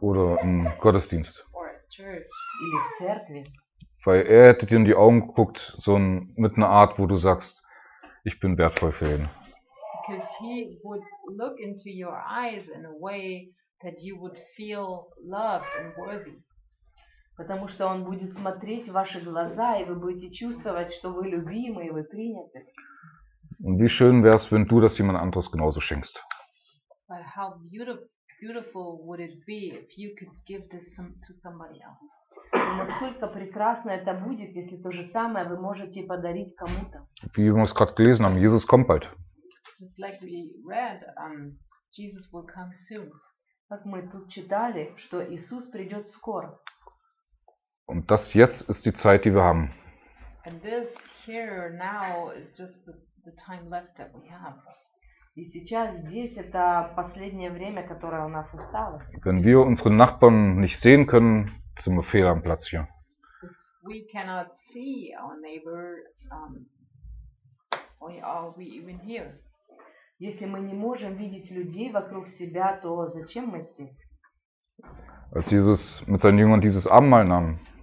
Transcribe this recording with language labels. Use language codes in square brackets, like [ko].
[de] Oder im Gottesdienst. [en] Or at church. [ru] Или в церкви. [de] Weil er hätte dir in die Augen geguckt, so mit einer Art, wo du sagst, ich bin wertvoll für ihn. [en] Because he would look into your eyes in a way that you would feel loved and worthy. [ru] Потому что он будет смотреть в ваши глаза, и вы будете чувствовать, что вы любимы, и вы приняты. [de] Und wie schön wär's, wenn du das jemand anderes genauso schenkst. [en] But how beautiful would it be if you could give this to somebody else? [ru] Насколько прекрасно это будет, если то же самое вы можете подарить кому-то. [de] Wie wir es gerade gelesen haben, Jesus kommt bald. [en] Just like we read, Jesus will come soon. [ru] Как мы тут читали, что Иисус придет скоро. [de] Und das jetzt ist die Zeit, die wir haben. [en] And this here now is just the time left that we have. [ru] И сейчас здесь это последнее время, которое у нас осталось. [de] Wenn wir unsere Nachbarn nicht sehen können, sind wir fehl am Platz hier. [en] If we cannot see our neighbor, why are we even here? [ru] Если мы не можем видеть людей вокруг себя, то зачем мы здесь? [de] Als Jesus mit seinen Jüngern dieses Abendmahl nahm.